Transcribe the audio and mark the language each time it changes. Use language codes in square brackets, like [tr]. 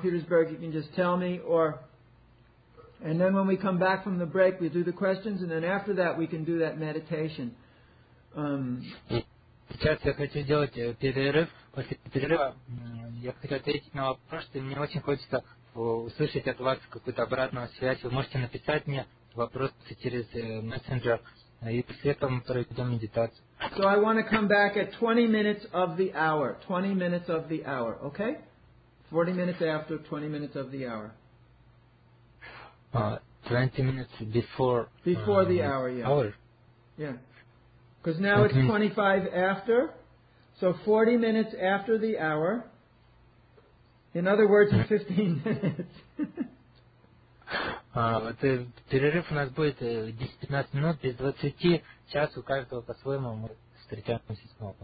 [en] Petersburg, you can just tell me. And then when we come back from the break, we'll do the questions, and then after that, we can do that meditation. [ru] Сейчас я хочу сделать перерыв. После перерыва я хочу ответить на вопрос, и мне очень хочется услышать от вас какую-то обратную связь. Вы можете написать мне вопросы через мессенджер, и после этого мы проведем медитацию. [en] So I want to come back at 20 minutes of the hour. 20 minutes of the hour, okay? 40 minutes after, 20 minutes of the hour. 20 minutes before. Before the hour, yeah. Hour. Yeah. Because now it's 25 after, so 40 minutes after the hour. In other words, 15 minutes. [ru] Вот перерыв у нас будет 10-15 минут, без 20 час у каждого по-своему мы встретимся снова.